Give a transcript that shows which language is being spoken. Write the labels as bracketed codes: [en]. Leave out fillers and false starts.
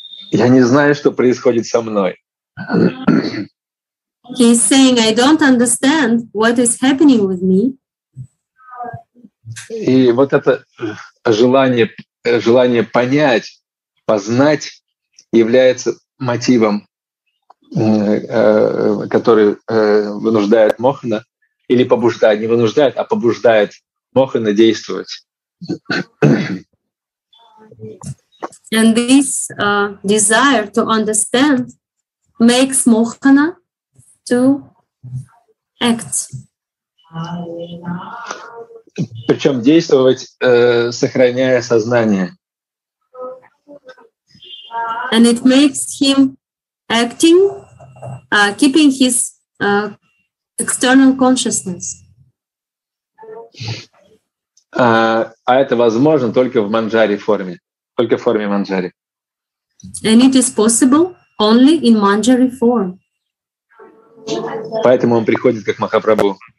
[ru] Я не знаю, что происходит со мной. [en] He's saying, I don't understand what is happening with me. [ru] И вот это желание понять, познать, является мотивом, который вынуждает Мохана, или побуждает, не вынуждает, а побуждает Мохана действовать. [en] And this desire to understand makes Мохана to act. [ru] Причем действовать, сохраняя сознание. [en] And it makes him acting, keeping his external consciousness. [ru] А это возможно только в манджари форме, только в форме манджари. [en] And it is possible only in manjari form. [ru] Поэтому он приходит как Махапрабху.